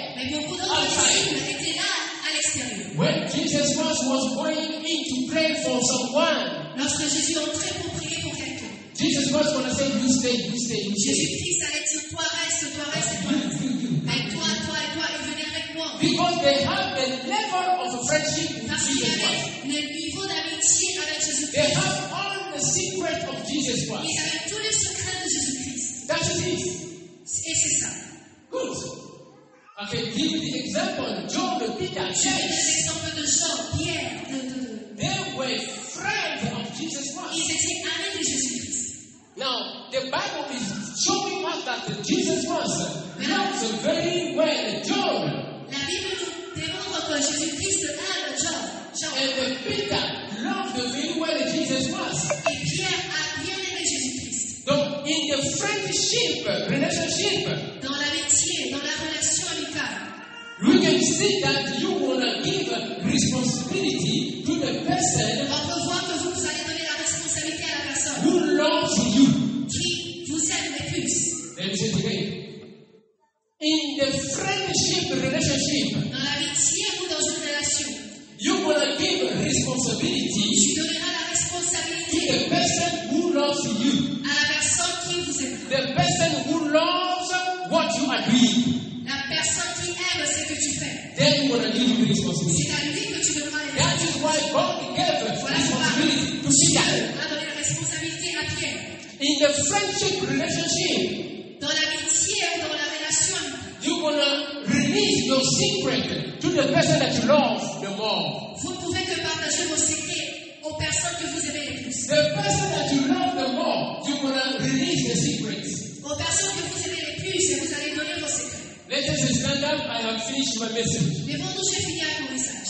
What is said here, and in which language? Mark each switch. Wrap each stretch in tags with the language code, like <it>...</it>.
<fr>Mais beaucoup d'autres disciples étaient là à l'extérieur.</fr> <en>When Jesus Christ was going in to pray for someone,</en> <fr>lorsque Jésus entrait pour prier pour quelqu'un,</fr> <en>Jesus Christ was going to say, "You stay."</en> <fr>Jésus-Christ allait dire, "Toi reste."</fr> <en>Because they have the level of friendship with Jesus. They have all the secrets of Jesus Christ. That is it. Good. Okay, give the example. John, Peter, James. They were friends of Jesus Christ. Now, the Bible is showing us that Jesus Christ knows very well John.</en> <fr>La Bible nous démontre que Jésus-Christ aime John.</fr> <en>And Peter loved the view where Jesus was.</en> <fr>Et Pierre a bien aimé Jésus-Christ.</fr> <en>Donc, in the friendship, relationship,</en> <fr>dans l'amitié, dans la relation amicale,</fr> <en>we can see that you want to give responsibility to the person.</en> <fr>On peut voir que vous allez donner la responsabilité à la personne.</fr> <en>Who loves you?</en> <fr>Qui vous aime le plus?</fr> <en>Let me say it again. In the friendship relationship,</en> <fr>dans l'amitié ou dans une relation,</fr> <en>you will give responsibility,</en> <fr>tu donneras la responsabilité,</fr> <en>to the person who loves you,</en> <fr>à la personne qui vous aime,</fr> <en>the person who loves what you are doing,</en> <fr>la personne qui aime ce que tu fais.</fr> <en>Then you will give you responsibility.</en> <fr>C'est à lui que tu devras.</fr> <en>That is why God gave responsibility to Peter.</en> <fr>A donné la responsabilité à Pierre.</fr> <en>In the friendship relationship,</en> <fr>dans l'amitié ou dans la relation,</fr> <en>you gonna release your secret to the person that you love the more.</en> <fr>Vous pouvez que partager vos secrets aux personnes que vous aimez le plus.</fr> <en>The person that you love the more, you gonna release the secrets.</en> <fr>Aux personnes que vous aimez le plus, et vous allez donner vos secrets.</fr> <en>Let us stand up. I have finished my message.</en> <fr>Mais bon, nous, j'ai fini avec mon message.</fr>